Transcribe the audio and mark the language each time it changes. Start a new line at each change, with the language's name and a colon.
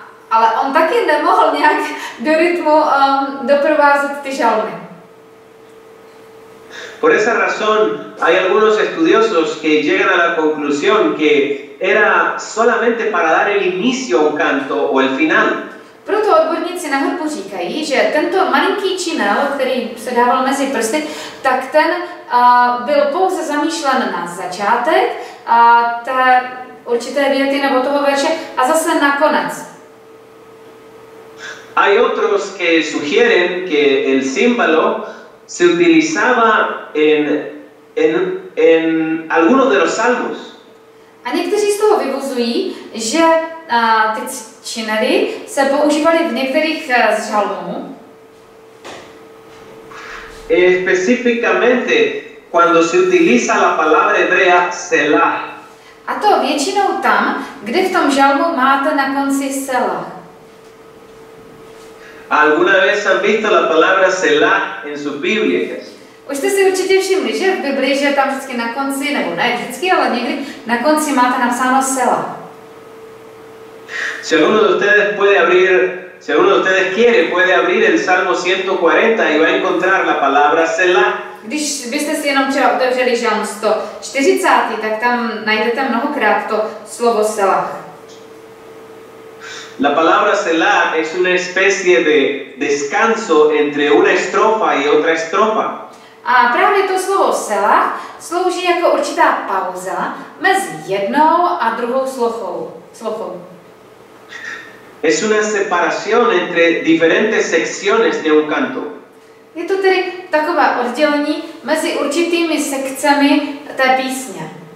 Czech: Ale on taky nemohl nějak do rytmu doprovázet ty žalmy.
Spanish: Por esa razón hay algunos estudiosos que llegan a la conclusión que era solamente para dar el inicio a un canto o el final.
Czech: Proto odborníci na hudbu říkají, že tento malinký činel, který se dával mezi prsty, tak ten byl pouze zamýšlen na začátek té určité věty nebo toho verše a zase na konec.
Spanish: Hay otros que sugieren que el címbalo se utilizaba en algunos de los salmos.
Czech: A někteří z toho vyvozují, že ty činely se používaly v některých z žalmů.
Spanish: Específicamente cuando se utiliza la palabra hebrea selah.
Czech: A to většinou tam, kde v tom žalmu máte na konci selah.
Spanish: ¿Alguna vez han visto la palabra selah en sus Biblias?
Czech: Už jste si určitě všimli, že v Biblii, že tam vždycky na konci, nebo ne vždycky, ale někdy na konci máte napsáno selah.
Spanish: Si alguno de ustedes puede abrir, si alguno de ustedes quiere, puede abrir el Salmo 140 y va a encontrar la palabra selah.
Czech: Když byste si jenom třeba otevřeli Žalm 140, tak tam najdete mnohokrát to slovo selah.
Spanish: La palabra selah es una especie de descanso entre una estrofa y otra estrofa.
Czech: A právě to slovo selah slouží jako určitá pauza mezi jednou a druhou slofou.
Spanish: Es una separación entre diferentes secciones de un canto.
Czech: Je to tedy takové oddělení mezi určitými sekcemi té písně.